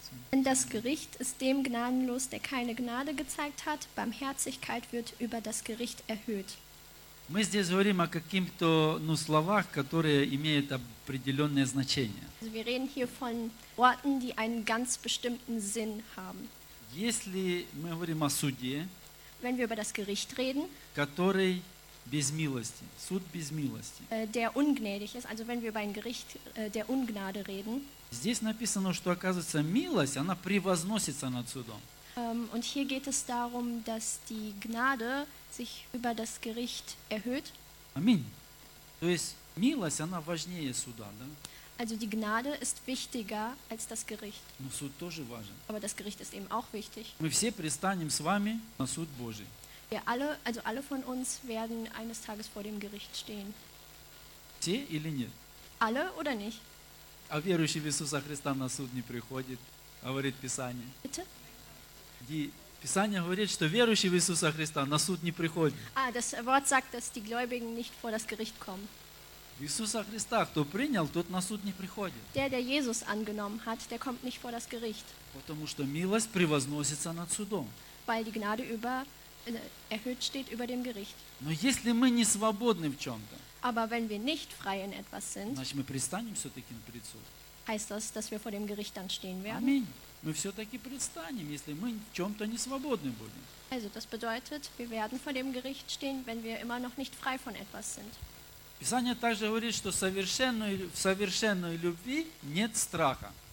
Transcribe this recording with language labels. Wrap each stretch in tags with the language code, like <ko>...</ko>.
<de>Denn das Gericht ist dem gnadenlos, der keine Gnade gezeigt hat. Barmherzigkeit wird über das Gericht erhöht.</de> <ru>Мы здесь говорим о каких-то, ну, словах, которые имеют определенное значение.</ru> <de>Also wir reden hier von Worten, die einen ganz bestimmten Sinn haben.</de> <ru>Если мы говорим о суде,</ru> <de>wenn wir über das Gericht reden,</de> <ru>который без милости, суд без милости,</ru> <de>der ungnädig ist, also wenn wir über ein Gericht der Ungnade reden.</de> <ru>Здесь написано, что оказывается милость, она превозносится над судом.</ru> <de>Und hier geht es darum, dass die Gnade sich über das Gericht erhöht.</de> <ru>Аминь. То есть милость, она важнее суда, да?</ru> <de>Also die Gnade ist wichtiger als das Gericht.</de> <ru>Но суд тоже важен.</ru> <de>Aber das Gericht ist eben auch wichtig.</de> <ru>Мы все пристанем с вами на суд Божий.</ru> <de>Wir alle, also alle von uns werden eines Tages vor dem Gericht stehen.</de> <ru>Все или нет?</ru> <de>Alle oder nicht?</de> <ru>А верующий в Иисуса Христа на суд не приходит, говорит Писание.</ru> <de>Bitte?</de> <ru>Где Писание говорит, что верующие в Иисуса Христа на суд не приходят.</ru> <de>А, das Wort sagt, dass die Gläubigen nicht vor das Gericht kommen.</de> <ru>Иисуса Христа, кто принял, тот на суд не приходит.</ru> <de>Der, der Jesus angenommen hat, der kommt nicht vor das Gericht.</de> <ru>Потому что милость превозносится над судом.</ru> <de>Weil die Gnade über, erhöht steht über dem Gericht.</de> <ru>Но если мы не свободны в чем-то,</ru> <de>aber wenn wir nicht frei in etwas sind,</de> <ru>значит мы пристанем все-таки перед судом.</ru> <de>Heißt das, dass wir vor dem Gericht dann stehen werden? Amen.</de> <ru>Мы все-таки предстанем, если мы в чем-то не свободны будем.</ru> <de>Also, das bedeutet, wir werden vor dem Gericht stehen, wenn wir immer noch nicht frei von etwas sind.</de> <ru>Писание также говорит, что в совершенной любви нет страха.</ru>